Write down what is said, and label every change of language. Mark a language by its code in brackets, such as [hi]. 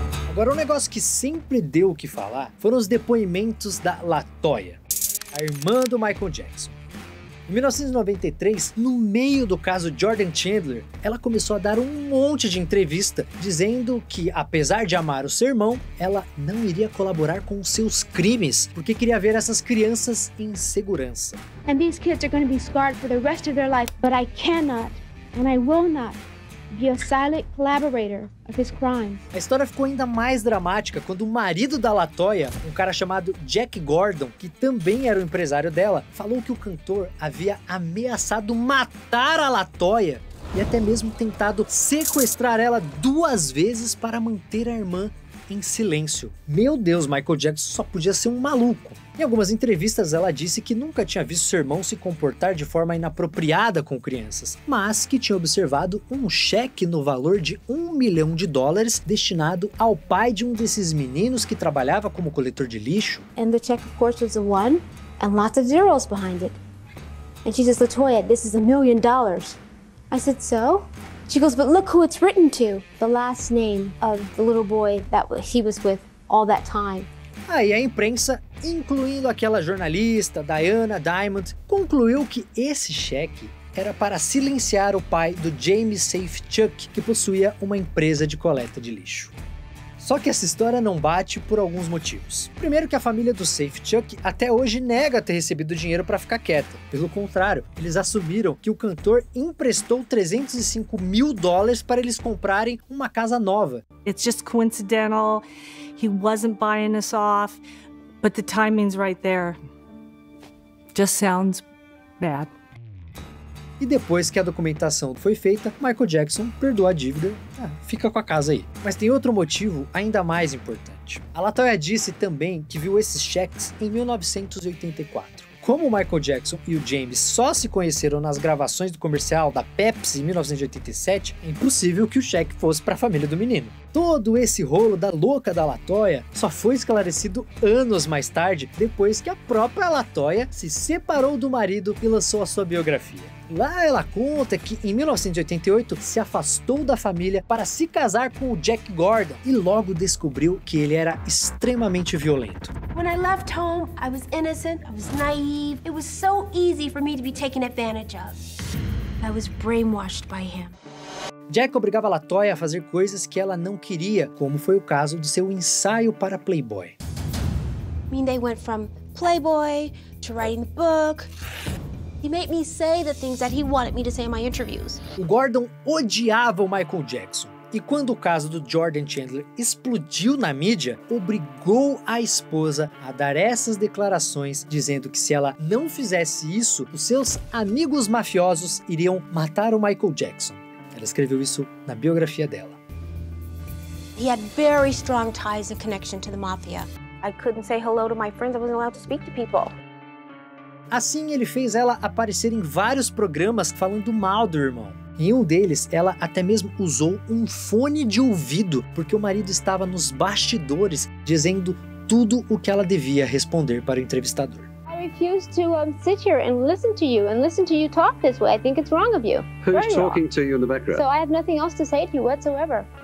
[pt] Agora, um negócio que sempre deu o que falar foram os depoimentos da Latoya, a irmã do Michael Jackson. Em 1993, no meio do caso Jordan Chandler, ela começou a dar um monte de entrevista dizendo que, apesar de amar o seu irmão, ela não iria colaborar com os seus crimes porque queria ver essas crianças em segurança. [en] And these kids are going to be scarred for the rest of their life, but I cannot and I will not be a silent collaborator of his crimes. [pt] A história ficou ainda mais dramática quando o marido da Latoya, um cara chamado Jack Gordon, que também era o empresário dela, falou que o cantor havia ameaçado matar a Latoya e até mesmo tentado sequestrar ela duas vezes para manter a irmã em silêncio. Meu Deus, Michael Jackson só podia ser um maluco. Em algumas entrevistas, ela disse que nunca tinha visto seu irmão se comportar de forma inapropriada com crianças, mas que tinha observado um cheque no valor de $1 milhão destinado ao pai de um desses meninos que trabalhava como coletor de lixo. [en] And the check, of course, was a one and lots of zeros behind it. And she says, Latoya, this is $1 million. I said, so? She goes, but look who it's written to. The last name of the little boy that he was with all that time. [pt] Aí a imprensa, incluindo aquela jornalista, Diana Diamond, concluiu que esse cheque era para silenciar o pai do James Safechuck, que possuía uma empresa de coleta de lixo. Só que essa história não bate por alguns motivos. Primeiro que a família do Safechuck até hoje nega ter recebido dinheiro para ficar quieta. Pelo contrário, eles assumiram que o cantor emprestou $305 mil para eles comprarem uma casa nova. [en] It's just coincidental. He wasn't buying us off, but the timing's right there. Just sounds bad. [pt] E depois que a documentação foi feita, Michael Jackson perdoa a dívida, fica com a casa aí. Mas tem outro motivo ainda mais importante. A Latoya disse também que viu esses cheques em 1984. Como o Michael Jackson e o James só se conheceram nas gravações do comercial da Pepsi em 1987, é impossível que o cheque fosse para a família do menino. Todo esse rolo da louca da Latoya só foi esclarecido anos mais tarde, depois que a própria Latoya se separou do marido e lançou a sua biografia. Lá ela conta que em 1988 se afastou da família para se casar com o Jack Gordon e logo descobriu que ele era extremamente violento. [en] When I left home, I was innocent, I was naive. It was so easy for me to be taken advantage of. I was brainwashed by him. [pt] Jack obrigava a Latoya a fazer coisas que ela não queria, como foi o caso do seu ensaio para Playboy. [en] I mean, they went from Playboy to writing the book. He made me say the things that he wanted me to say in my interviews. [pt] O Gordon odiava o Michael Jackson, e quando o caso do Jordan Chandler explodiu na mídia, obrigou a esposa a dar essas declarações, dizendo que se ela não fizesse isso, os seus amigos mafiosos iriam matar o Michael Jackson. Ela escreveu isso na biografia dela. [en] He had very strong ties and connection to the mafia. I couldn't say hello to my friends. I wasn't allowed to speak to people. [pt] Assim, ele fez ela aparecer em vários programas falando mal do irmão. Em um deles, ela até mesmo usou um fone de ouvido porque o marido estava nos bastidores dizendo tudo o que ela devia responder para o entrevistador. [en] I refuse to sit here and listen to you and listen to you talk this way. I think it's wrong of you. Who's talking to you in the background? So I have nothing else to say to you whatsoever.